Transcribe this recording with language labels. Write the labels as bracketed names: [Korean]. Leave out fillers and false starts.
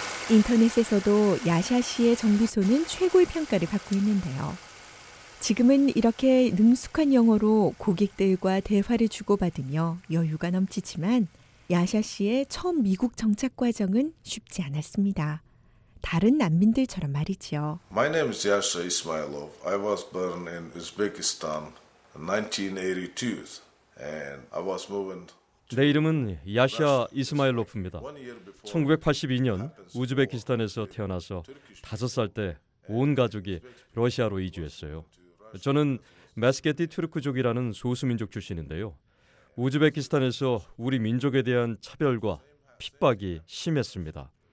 [Korean] 인터넷에서도 야샤 씨의 정비소는 최고의 평가를 받고 있는데요. 지금은 이렇게 능숙한 영어로 고객들과 대화를 주고받으며 여유가 넘치지만 야샤 씨의 처음 미국 정착 과정은 쉽지 않았습니다. 다른 난민들처럼 말이죠. [English] My name is Yasha Ismailov. I was born in Uzbekistan in 1982. And I was moving. [Korean] 내 이름은 야샤 이스마일로프입니다. 1982년 우즈베키스탄에서 태어나서 5살 때 온 가족이 러시아로 이주했어요. 저는 메스케티 투르크족이라는 소수민족 출신인데요. 우즈베키스탄에서 우리 민족에 대한 차별과 핍박이 심했습니다.